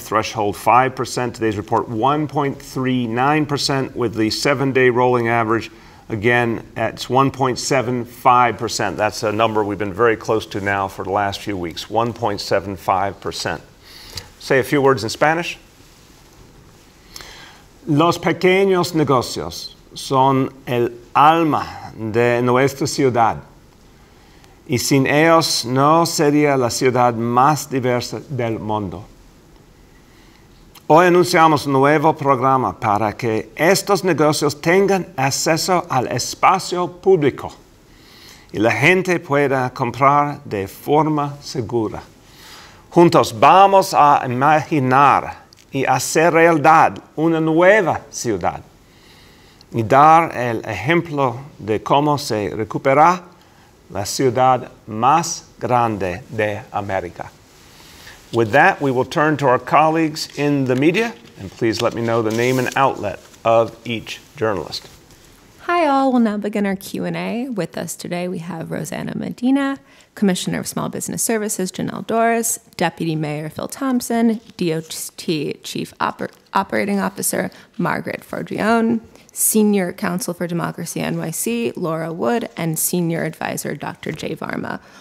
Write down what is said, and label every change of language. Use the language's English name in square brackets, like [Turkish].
[English] Threshold 5%. Today's report 1.39% with the 7-day rolling average. Again, it's 1.75%. That's a number we've been very close to now for the last few weeks, 1.75%. Say a few words in Spanish. [Spanish] Los pequeños negocios son el alma de nuestra ciudad. Y sin ellos no sería la ciudad más diversa del mundo. Hoy anunciamos un nuevo programa para que estos negocios tengan acceso al espacio público y la gente pueda comprar de forma segura. Juntos vamos a imaginar y hacer realidad una nueva ciudad y dar el ejemplo de cómo se recupera la ciudad más grande de América. [English] With that, we will turn to our colleagues in the media, and please let me know the name and outlet of each journalist. Hi, all. We'll now begin our Q&A. With us today, we have Rosanna Medina, Commissioner of Small Business Services, Janelle Doris, Deputy Mayor Phil Thompson, DOT Chief Operating Officer Margaret Forgione, Senior Counsel for Democracy NYC Laura Wood, and Senior Advisor Dr. Jay Varma.